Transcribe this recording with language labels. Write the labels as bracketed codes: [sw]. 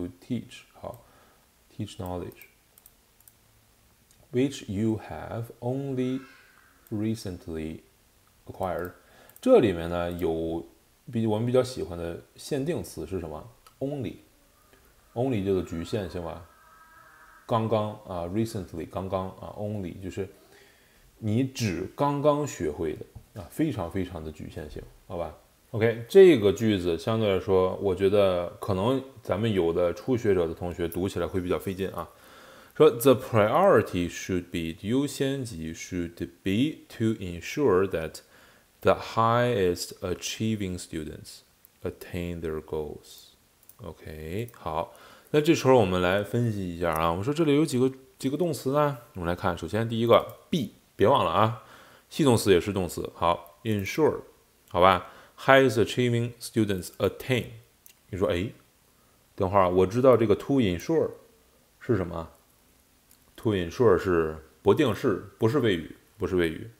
[en] To teach 好，teach knowledge which you have only recently acquired。 [zh] 这里面呢有比我们比较喜欢的限定词是什么？Only 这个局限性吧。刚刚recently 刚刚only 就是你只刚刚学会的非常非常的局限性，好吧？OK，这个句子相对来说，我觉得可能咱们有的初学者的同学读起来会比较费劲啊。 [en] 说 the priority should be [zh] 优先级 [en] should be to ensure that the highest achieving students attain their goals。 [zh] OK，好。那这时候我们来分析一下我们说这里有几个动词呢？我们来看，首先第一个 be，别忘了啊，系动词也是动词。好 ，ensure， 好吧 ， [en] has achieving students attain。 [zh] 你说，哎，等会儿，我知道这个 to ensure 是什么 ？to ensure 是不定式，不是谓语，不是谓语。